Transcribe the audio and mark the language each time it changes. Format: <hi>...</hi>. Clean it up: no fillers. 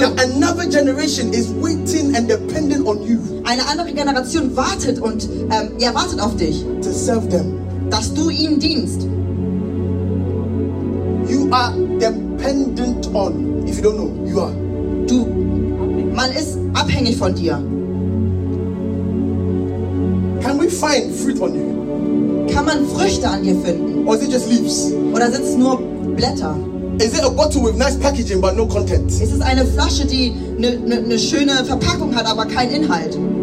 <en>Now, another generation is waiting and dependent on you.</en> <de>Eine andere Generation wartet und wartet auf dich.</de> <en>To serve them.</en> <de>Dass du ihnen dienst.</de> <en>You are dependent on. If you don't know, you are.</en> <de>Du. Man ist abhängig von dir.</de> <en>Can we find fruit on you?</en> <de>Kann man Früchte an dir finden?</de> <en>Or is it just leaves?</en> <de>Oder sind es nur Blätter?</de> <en>Is it a bottle with nice packaging but no content?</en> <de>Ist es eine Flasche, die eine schöne Verpackung hat, aber keinen Inhalt?</de>